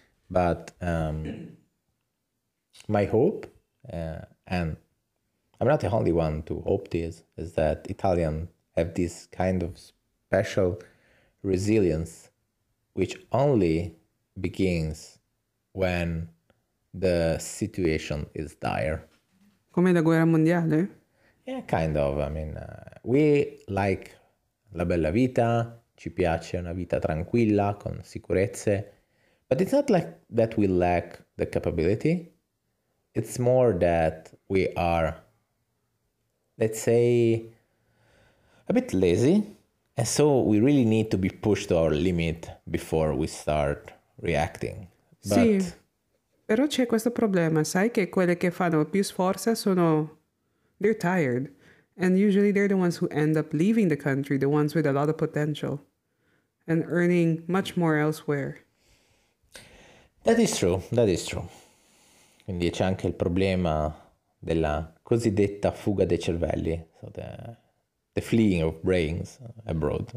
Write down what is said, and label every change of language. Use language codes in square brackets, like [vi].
[en] But my hope, and I'm not the only one to hope this, is that Italians have this kind of special resilience, which only begins when the situation is dire. [it] Come la guerra mondiale? [en] Yeah, kind of. I mean, we like [it] la bella vita, ci piace una vita tranquilla, con sicurezze. [en] But it's not like that we lack the capability. It's more that we are, let's say, a bit lazy. And so we really need to be pushed to our limit before we start reacting. [it] But sì, però c'è questo problema. Sai che quelle che fanno più sforza sono, [en] they're tired. And usually they're the ones who end up leaving the country, the ones with a lot of potential and earning much more elsewhere. That is true, that is true. [it] Quindi c'è anche il problema della cosiddetta fuga dei cervelli, [en] so the fleeing of brains abroad.